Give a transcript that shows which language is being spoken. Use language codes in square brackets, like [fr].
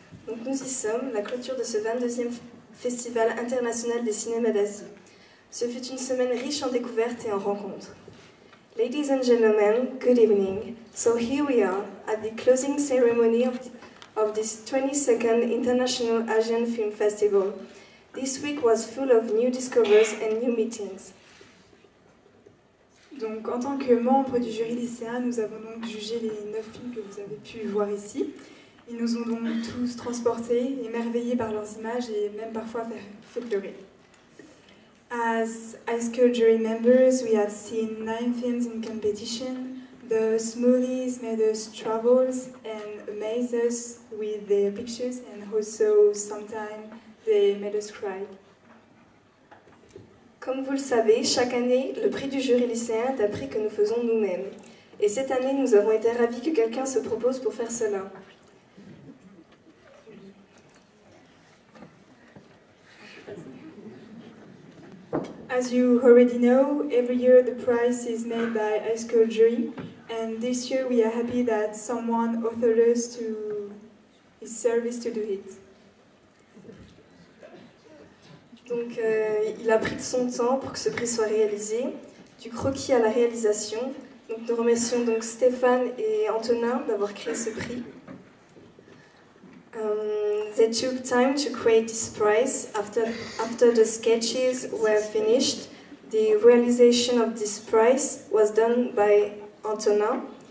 [fr] Donc nous y sommes, la clôture de ce 22e Festival international des cinémas d'Asie. Ce fut une semaine riche en découvertes et en rencontres. [en] Ladies and gentlemen, good evening. So here we are at the closing ceremony of this 22nd International Asian Film Festival. This week was full of new discoveries and new meetings. [fr] Donc, en tant que membres du jury lycéen, nous avons donc jugé les 9 films que vous avez pu voir ici. Ils nous ont donc tous transportés, émerveillés par leurs images et même parfois fait pleurer. [en] As high school jury members, we have seen 9 films in competition. The smoothies made us troubles and amazed us with their pictures and also sometimes they made us cry. [fr] Comme vous le savez, chaque année, le prix du jury lycéen est un prix que nous faisons nous-mêmes. Et cette année, nous avons été ravis que quelqu'un se propose pour faire cela. Merci. [en] As you already know, every year the prize is made by high school jury, and this year we are happy that someone authored us to his service to do it. [fr] Donc, il a pris de son temps pour que ce prix soit réalisé, du croquis à la réalisation. Donc, nous remercions donc Stéphane et Antonin d'avoir créé ce prix. [en] They took time to create this prize. After the sketches were finished, the realization of this prize was done by Antonin.